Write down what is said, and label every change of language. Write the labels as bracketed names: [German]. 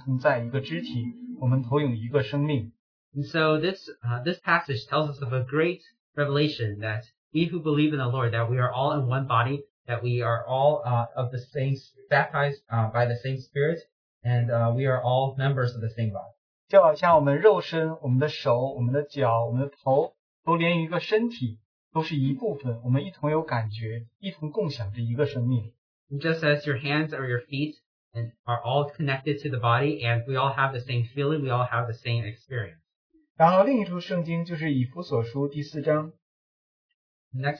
[Chinese] 所以弟兄姊妹们，这段经节告诉我们一个极大的奥秘，就是我们凡属基督的，我们都同饮一位圣灵，我们同在一个肢体，我们同有一个生命。And [English] so this passage tells us of a great revelation that we who believe in the Lord, that we are all in one body, that we are all of the same, baptized by the same Spirit. And we are all members of the same body. [Chinese] 就好像我们肉身，我们的手，我们的脚，我们的头，都连一个身体，都是一部分。我们一同有感觉，一同共享着一个生命。Just [English] as your hands or your feet and are all connected to the body, and we all have the same feeling, we all have the same experience. [Chinese] 然后另一处圣经就是以弗所书第四章。Next